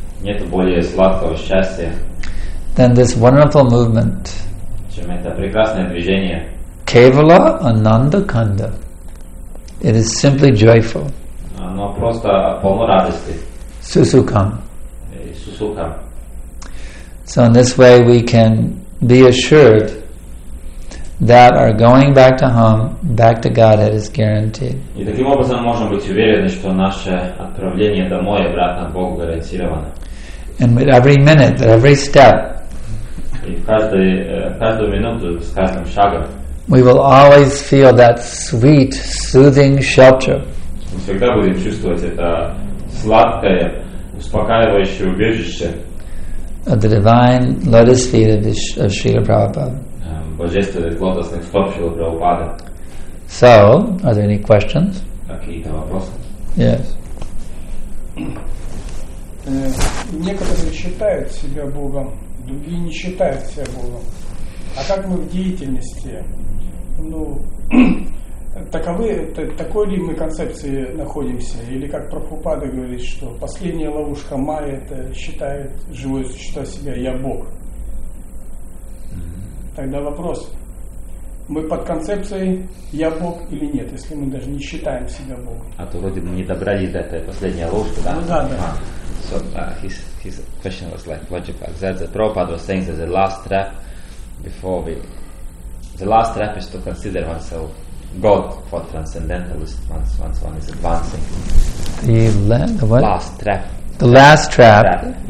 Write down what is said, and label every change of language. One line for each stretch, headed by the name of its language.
Russian: Нет более сладкого счастья.
English: Than this wonderful movement.
Russian: Чем это прекрасное движение.
English: Kevala Ananda Kanda. It is simply joyful.
Russian: Оно просто полно радости. Сусукам. Сусукам.
English: So in this way we can be assured that our going back to home, back to Godhead, is guaranteed.
Russian: И таким образом можем быть уверены, что наше отправление домой обратно Богу гарантировано.
English: And with every minute, at every step,
Russian: и каждую минуту с каждым шагом,
English: we will always feel that sweet, soothing shelter.
Russian: Мы всегда будем чувствовать это сладкое, успокаивающее убежище.
English: At the divine lotus feet of Srila Prabhupada.
Russian: Божественных лотосных стоп Шрилы Прабхупады.
English: So, are there any questions?
Russian: Какие-то вопросы?
English: Yes.
Russian: Некоторые считают себя Богом, другие не считают себя Богом. А как мы в деятельности ну, таковы, такой ли мы концепции находимся? Или как Прабхупада говорит, что последняя ловушка майя – это считает живое существо себя «я Бог». Тогда вопрос, мы под концепцией «я Бог» или нет, если мы даже не считаем себя Богом? А то вроде бы не добрались до этой последней ловушки, да? Ну, да, да.
English: So his question was like logical. The Prabhupada was saying that the last trap before we, the last trap is to consider oneself God for transcendentalist once one is advancing. The last trap